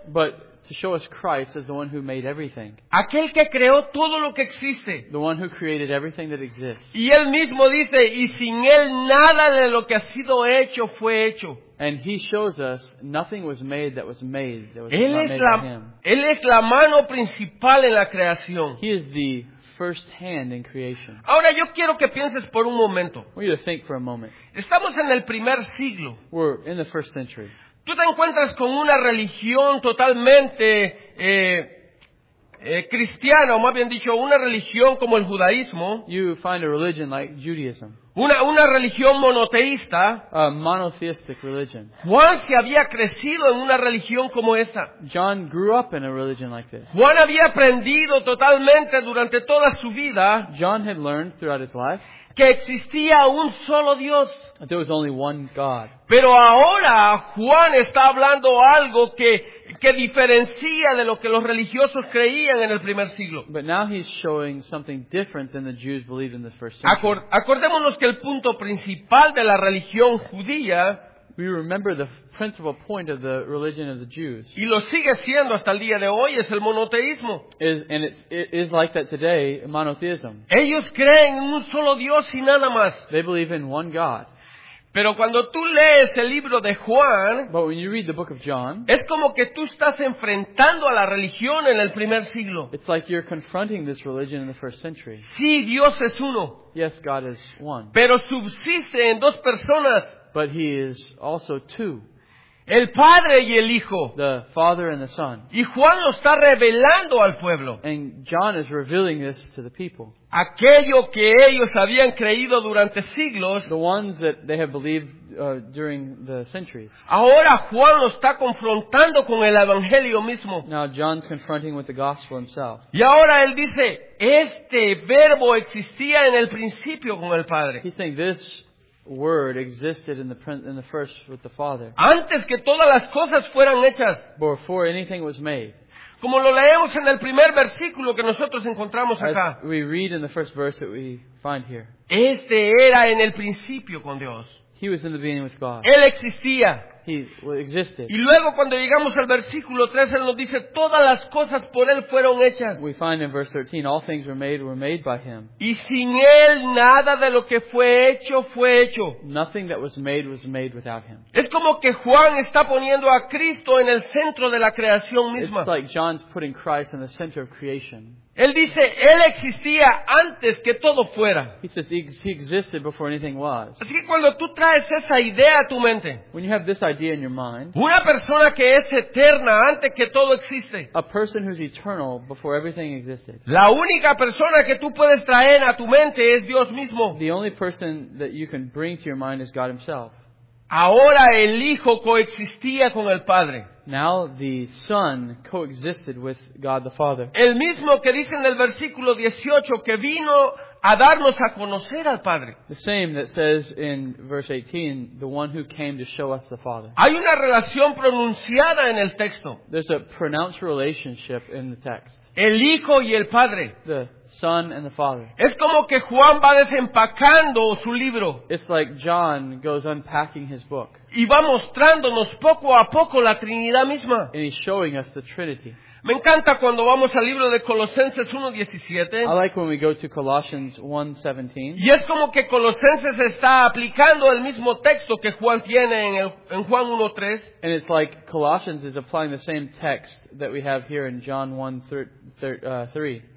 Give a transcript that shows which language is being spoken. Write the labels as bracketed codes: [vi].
[en] but to show us Christ as the one who made everything, [es] aquel que creó todo lo que existe, [en] the one who created everything that exists. [es] Y él mismo dice, y sin él nada de lo que ha sido hecho fue hecho. [en] And he shows us nothing was made that was made that was [es] él [en] not [es] es [en] made [es] la, [en] by him. [es] Él es la mano principal en la creación. [en] He is the first hand in creation. [es] Ahora yo quiero que pienses por un momento. [en] I want you to think for a moment. [es] Estamos en el primer siglo. [en] We're in the first century. [es] Tú te encuentras con una religión totalmente cristiana, o más bien dicho, una religión como el judaísmo. [en] You find a religion like Judaism. [es] Una religión monoteísta. [en] A monotheistic religion. [es] Juan se había crecido en una religión como esta. [en] John grew up in a religion like this. [es] Juan había aprendido totalmente durante toda su vida. [en] John had learned throughout his life. [es] Que existía un solo Dios. [en] There was only one God. [es] Pero ahora Juan está hablando algo que diferencia de lo que los religiosos creían en el primer siglo. [en] But now he's showing something different than the Jews believed in the first century. [es] Acordémonos que el punto principal de la religión judía, [en] we remember the principal point of the religion of the Jews, [es] y lo sigue siendo hasta el día de hoy, es el monoteísmo. [en] It is like that today, monotheism. [es] Ellos creen en un solo Dios y nada más. [en] They believe in one God. [es] Pero cuando tú lees el libro de Juan, [en] but when you read the book of John, [es] es como que tú estás enfrentando a la religión en el primer siglo. [en] It's like you're confronting this religion in the first century. [es] Sí, Dios es uno. [en] Yes, God is one. [es] Pero subsiste en dos personas. [en] But he is also two. [es] El Padre y el Hijo. [en] The Father and the Son. [es] Y Juan lo está revelando al pueblo. [en] And John is revealing this to the people. [es] Aquello que ellos habían creído durante siglos. [en] The ones that they have believed during the centuries. [es] Ahora Juan lo está confrontando con el Evangelio mismo. [en] Now John's confronting with the gospel himself. [es] Y ahora él dice, este verbo existía en el principio con el Padre. [en] He's saying this word existed in the first with the Father. [es] Antes que todas las cosas fueran hechas. [en] Before anything was made. [es] Como lo leemos en el primer versículo que nosotros encontramos acá. [en] As we read in the first verse that we find here. [es] Este era en el principio con Dios. [en] He was in the beginning with God. [es] Él existía. [en] He existed. [es] Y luego cuando llegamos al versículo 3, él nos dice, todas las cosas por él fueron hechas. [en] We find in verse 13, all things were made by him. [es] Y sin él, nada de lo que fue hecho, fue hecho. [en] Nothing that was made without him. [es] Es como que Juan está poniendo a Cristo en el centro de la creación misma. [en] It's like John's putting Christ in the center of creation. [es] Él dice, él existía antes que todo fuera. [en] He says he existed before anything was. [es] Así que cuando tú traes esa idea a tu mente, [en] when you have this idea in your mind, [es] una persona que es eterna antes que todo existe, [en] a person who's eternal before everything existed, [es] la única persona que tú puedes traer a tu mente es Dios mismo. [en] The only person that you can bring to your mind is God himself. [es] Ahora el Hijo coexistía con el Padre. [en] Now the Son coexisted with God the Father. [es] El mismo que dice en el versículo 18 que vino a darnos a conocer al Padre. [en] The same that says in verse 18, the one who came to show us the Father. [es] Hay una relación pronunciada en el texto. [en] There's a pronounced relationship in the text. [es] El Hijo y el Padre. [en] The Son and the Father. [es] Es como que Juan va desempacando su libro. [en] It's like John goes unpacking his book. [es] Y va mostrándonos poco a poco la Trinidad misma. [en] And he's showing us the Trinity. [es] Me encanta cuando vamos al libro de Colosenses 1:17. [en] I like when we go to Colossians 1:17. [es] Y es como que Colosenses está aplicando el mismo texto que Juan tiene en Juan 1:3. [en] And it's like Colossians is applying the same text that we have here in John 1:3.